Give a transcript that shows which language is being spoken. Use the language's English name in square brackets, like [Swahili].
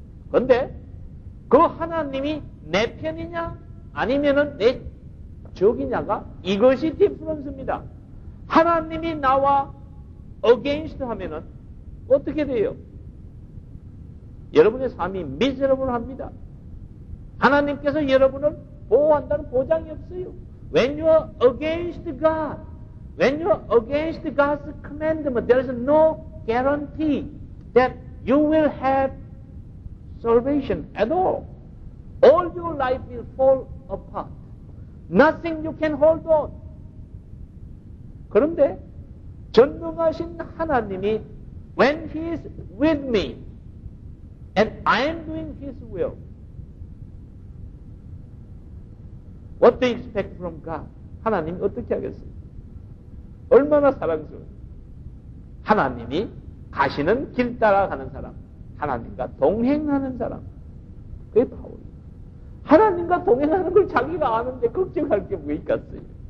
[Korean] 그런데 그 하나님이 내 편이냐 아니면은 내 적이냐가 이것이 difference입니다. 하나님이 나와 against 하면은 어떻게 돼요? 여러분의 삶이 miserable 합니다. 하나님께서 여러분을 보호한다는 보장이 없어요. [English] When you are against God, when you are against God's commandment, there is no guarantee that you will have salvation at all. All your life will fall apart. Nothing you can hold on. [Korean] 그런데 전능하신 하나님이 [English] when he is with me and I am doing his will, what do you expect from God? [Korean] 하나님이 어떻게 하겠어요? 얼마나 사랑스러워요. 하나님이 가시는 길 따라가는 사람, 하나님과 동행하는 사람, 그게 바울이에요. 하나님과 동행하는 걸 자기가 아는데 걱정할 게 뭐 있겠어요?